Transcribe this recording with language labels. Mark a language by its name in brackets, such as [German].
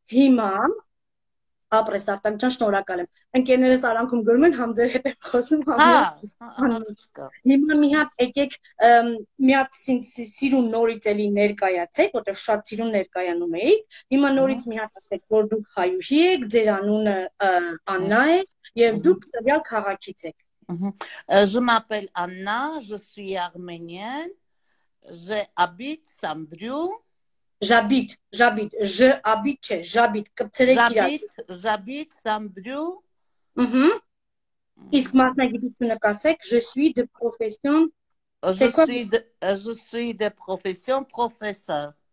[Armenian] Հիմա Ապրես արտակ ջան, շնորհակալ եմ։ Ընկերներս արանքում գրում են, համ ձեր հետ եմ խոսում, համ հա, հիմա մի հատ եկեք, մի հատ սիրուն նորից էլի ներկայացեք, որտեվ շատ սիրուն ներկայանում էիք, հիմա նորից մի հատ ասեք, որ դուք հայուհի եք, ձեր անունը Աննա է, և դուք տվյալ քաղաքից եք։ [French] Je m'appelle Anna, je suis arménienne, je habite Saint-Brieuc. [Armenian] Ժաբիթ, ժաբիթ, ժ աբիթ չէ, ժաբիթ, կպցրեք իրա։ [French] Ժաբիթ, ժաբիթ, Սամբրյու։ [Armenian] Իսկ մասնագիտությունը կասեք, [French] je suis de profession. Je suis de profession professeur.